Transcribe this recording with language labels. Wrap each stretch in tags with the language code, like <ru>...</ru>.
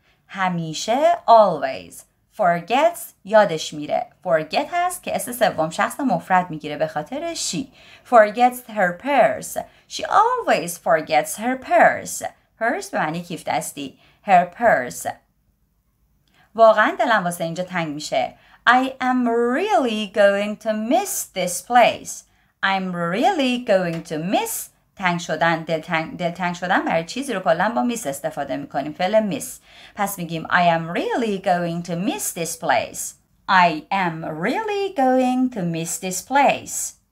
<fa>همیشه</fa> <en>always forgets</en> <fa>یادش میره. Forget هست که اس سوم شخص مفرد میگیره به خاطر she.</fa> <en>Forgets her purse. She always forgets her purse.</en> <fa>Purse به معنی کیف دستی.</fa> <en>Her purse.</en> <fa>واقعا دلم واسه اینجا تنگ میشه.</fa> <en>I am really going to miss this place. I'm really going to miss.</en> <fa>تنگ شدن دلتنگ شدن برای چیزی رو کلا با میس استفاده میکنیم. فعل میس. پس میگیم</fa> <en>I am really going to miss this place. I am really going to miss this place.</en>